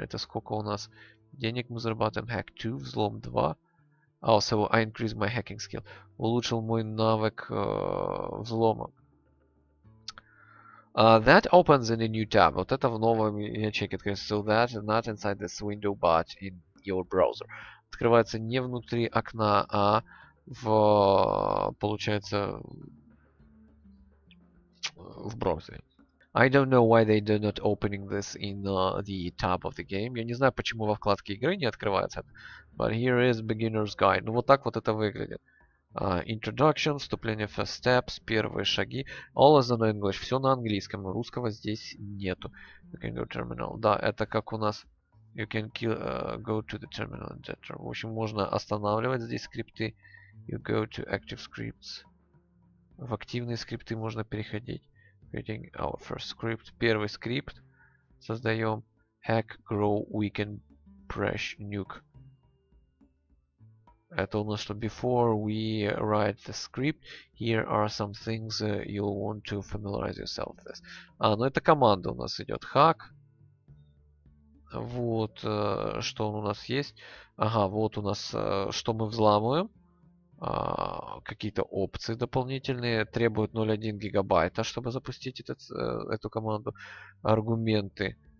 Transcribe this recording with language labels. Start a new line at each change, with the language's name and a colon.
Russian: Это сколько у нас денег мы зарабатываем.
English: Hack 2,
Russian: взлом 2.
English: Also, I increased my hacking skill.
Russian: Улучшил мой навык взлома.
English: That opens in a new tab.
Russian: Вот это в новом ячейке.
English: So that not inside this window, but in your browser.
Russian: Открывается не внутри окна, а в, получается, в браузере.
English: I don't know why they do not opening this in the tab of the game.
Russian: Я не знаю, почему во вкладке игры не открывается.
English: But here is beginner's guide.
Russian: Ну вот так вот это выглядит.
English: Introduction,
Russian: вступление,
English: first steps,
Russian: первые шаги.
English: All is on English.
Russian: Все на английском. Русского здесь нету.
English: You can go terminal.
Russian: Да, это как у нас.
English: You can kill, go to the terminal editor.
Russian: В общем, можно останавливать здесь скрипты.
English: You go to active scripts.
Russian: В активные скрипты можно переходить.
English: Creating our first script.
Russian: Первый скрипт. Создаем.
English: Hack, grow, weaken, fresh, nuke.
Russian: Это у нас что?
English: Before we write the script, here are some things you'll want to familiarize yourself with.
Russian: А, ну это команда у нас идет. Hack. Вот, что у нас есть. Ага, вот у нас, что мы взламываем. Какие-то опции дополнительные требуют 0,1 гигабайта, чтобы запустить этот, эту команду. Аргументы.